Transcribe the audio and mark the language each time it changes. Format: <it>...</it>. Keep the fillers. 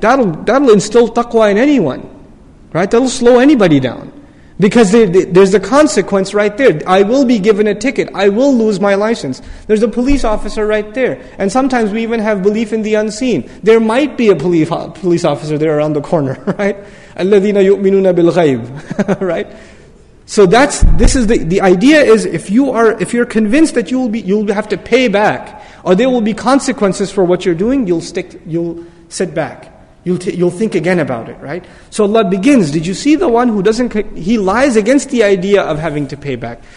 <en>That'll, that'll instill taqwa in anyone. Right? That'll slow anybody down. Because they, they, there's a consequence right there. I will be given a ticket. I will lose my license. There's a police officer right there. And sometimes we even have belief in the unseen. There might be a police, police officer there around the corner, right?</en> <ar>الَّذِينَ يُؤْمِنُونَ بِالْغَيْبِ</ar> <en>Right? So that's, this is the, the idea is if you are, if you're convinced that you will be, you'll have to pay back, or there will be consequences for what you're doing, you'll stick, you'll sit back. You'll, t- you'll think again about it, right? So Allah begins. Did you see the one who doesn't, c- he lies against the idea of having to pay back.</en>